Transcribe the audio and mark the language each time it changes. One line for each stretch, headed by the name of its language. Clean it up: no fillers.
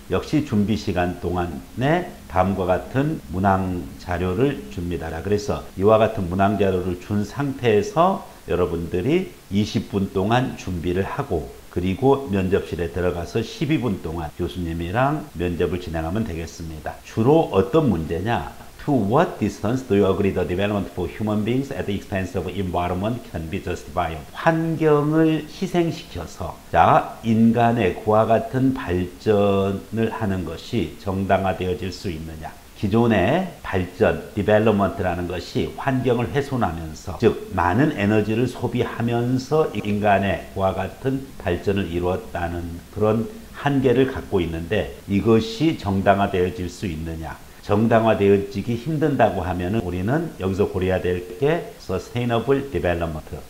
Korean: 역시 준비 시간 동안에 다음과 같은 문항 자료를 줍니다. 그래서 이와 같은 문항 자료를 준 상태에서 여러분들이 20분 동안 준비를 하고 그리고 면접실에 들어가서 12분 동안 교수님이랑 면접을 진행하면 되겠습니다. 주로 어떤 문제냐?
English: To what distance do you agree the development for human beings at the expense of environment can be justified?
Korean: 환경을 희생시켜서 자 인간의 그와 같은 발전을 하는 것이 정당화되어질 수 있느냐? 기존의 발전, development라는 것이 환경을 훼손하면서 즉 많은 에너지를 소비하면서 인간의 그와 같은 발전을 이루었다는 그런 한계를 갖고 있는데 이것이 정당화되어질 수 있느냐 정당화되어지기 힘든다고 하면 우리는 여기서 고려해야 될 게 sustainable development